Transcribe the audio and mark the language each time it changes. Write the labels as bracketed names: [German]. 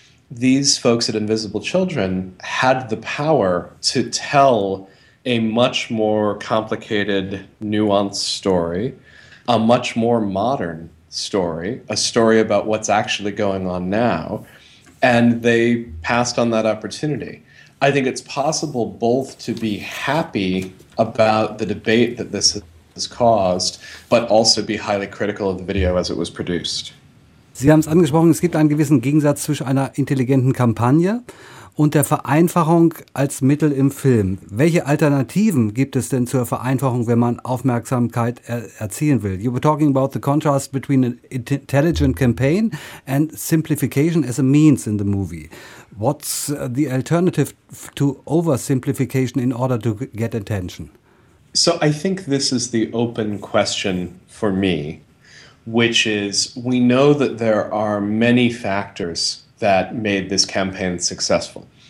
[English] These folks at Invisible Children had the power to tell a much more complicated, nuanced story, a much more modern story, a story about what's actually going on now, and they passed on that opportunity. I think it's possible both to be happy about the debate that this has caused, but also be highly critical of the video as it was produced. [German] Sie haben es angesprochen, es gibt einen gewissen Gegensatz zwischen einer intelligenten Kampagne und der Vereinfachung als Mittel im Film. Welche Alternativen gibt es denn zur Vereinfachung, wenn man Aufmerksamkeit erzielen will? [English] You were talking about the contrast between an intelligent campaign and simplification as a means in the movie. What's the alternative to oversimplification in order to get attention? So I think this is the open question for me, which is, we know that there are many factors that made this campaign successful.